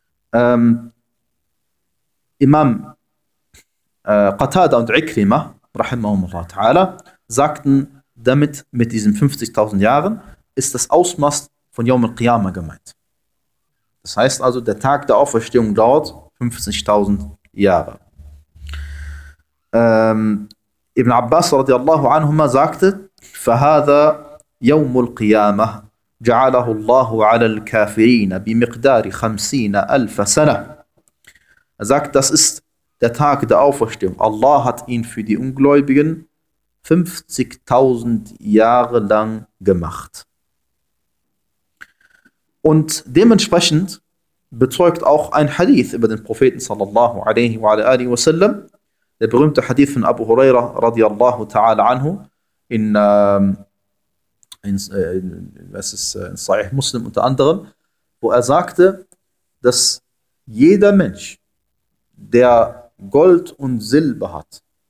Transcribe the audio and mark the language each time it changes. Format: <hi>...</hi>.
<de>Imam Qatada und Ikrima, rahimahumullah ta'ala, sagten, damit mit diesen 50.000 Jahren ist das Ausmaß von Yawm al-Qiyamah gemeint. Das heißt also, der Tag der Auferstehung dauert 50.000 Jahre. Ibn Abbas radiallahu anhuma sagte,</de> <ar>فَهَذَا يَوْمُ الْقِيَامَةِ جَعَلَهُ اللَّهُ عَلَى الْكَافِرِينَ بِمِقْدَارِ 50.000 سَنَةٍ.</ar> <de>Er sagt, das ist der Tag der Auferstehung. Allah hat ihn für die Ungläubigen 50.000 Jahre lang gemacht. Und dementsprechend bezeugt auch ein Hadith über den Propheten sallallahu alaihi wa alaihi wa sallam, der berühmte Hadith von Abu Huraira radiallahu ta'ala anhu in Sahih Muslim unter anderem, wo er sagte, dass jeder Mensch, der Gold und Silber hat</de>